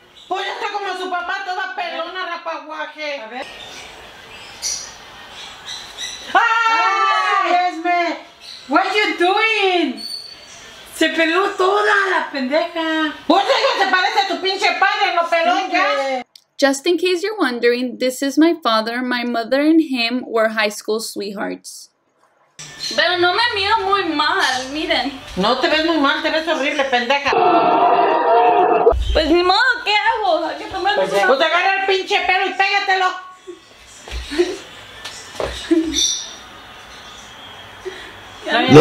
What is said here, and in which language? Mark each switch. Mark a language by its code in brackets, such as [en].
[es] Pues está como su papá, toda pelona, rapaguaje. A ver. [en] ¡Ay, Esme! What you doing? [es] Se peló toda la pendeja. ¡Vos hijo se parece a tu pinche padre, no pelón ya! [en] Just in case you're wondering, this is my father. My mother and him were high school sweethearts. [es] Pero no me miro muy mal, miren. No te ves muy mal, te ves horrible, pendeja. Pues ni modo, ¿qué hago? Hay que tomar pues, una... pues agarra el pinche pelo y pégatelo. Ya